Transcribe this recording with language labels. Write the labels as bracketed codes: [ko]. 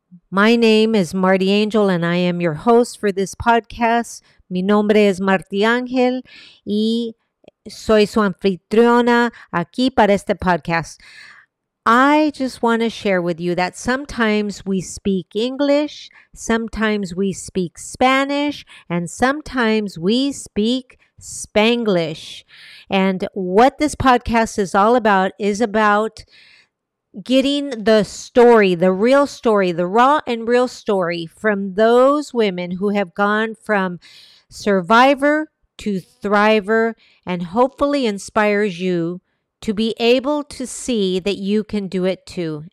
[en] My name is Marti Angel and I am your host for this podcast. [es] Mi nombre es Marti Angel y soy su anfitriona aquí para este podcast. [en] I just want to share with you that sometimes we speak English, sometimes we speak Spanish, and sometimes we speak Spanglish. And what this podcast is about getting the story, the real story, the raw and real story from those women who have gone from survivor to thriver and hopefully inspires you to be able to see that you can do it too.